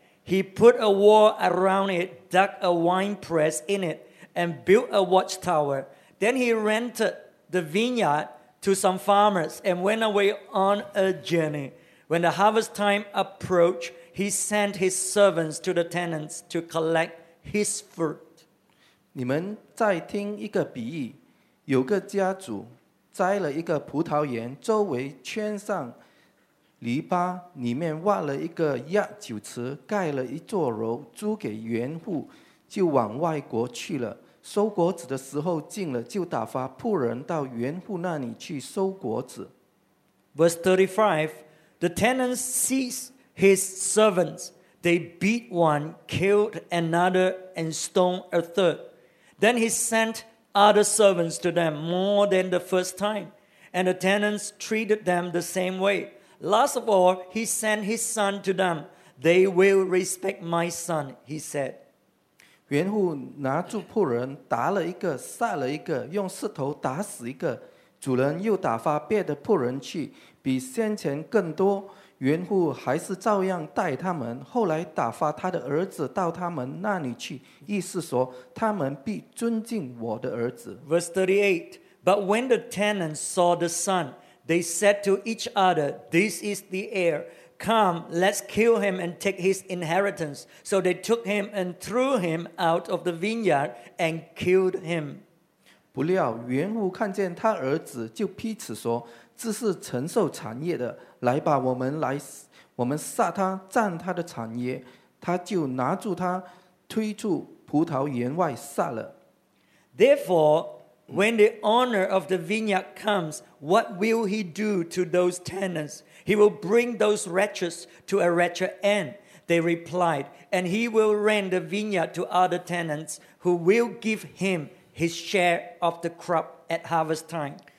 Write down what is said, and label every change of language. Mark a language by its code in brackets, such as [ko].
[en] He put a wall around it, dug a wine press in it, and built a watchtower. Then he rented the vineyard to some farmers and went away on a journey. When the harvest time approached, he sent his servants to the tenants to collect his fruit. [zh] 你们再听一个比喻，有个家主栽了一个葡萄园，周围圈上篱笆，里面挖了一个压酒池，盖了一座楼，租给园户，就往外国去了。收果子的时候近了，就打发仆人到园户那里去收果子。 [en] Verse 35, the tenants seized his servants. They beat one, killed another, and stoned a third. Then he sent. Other servants to them more than the first time, and the tenants treated them the same way. Last of all, he sent his son to them. They will respect my son, he said. [zh] 园户拿住仆人，打了一个，杀了一个，用石头打死一个。主人又打发别的仆人去，比先前更多。园户还是照样待他们，后来打发他的儿子到他们那里去，意思说他们必尊敬我的儿子。 [en] Verse 38, But when the tenants saw the son, they said to each other, This is the heir. Come, let's kill him and take his inheritance. So they took him and threw him out of the vineyard and killed him. [zh] 不料园户看见他儿子，就批斥说，这是承受产业的，来吧，我们杀他，占他的产业。他就拿住他，推出葡萄园外杀了。 [en] Therefore, when the owner of the vineyard comes, what will he do to those tenants? He will bring those wretches to a wretched end, they replied, and he will rent the vineyard to other tenants who will give him his share of the crop at harvest time.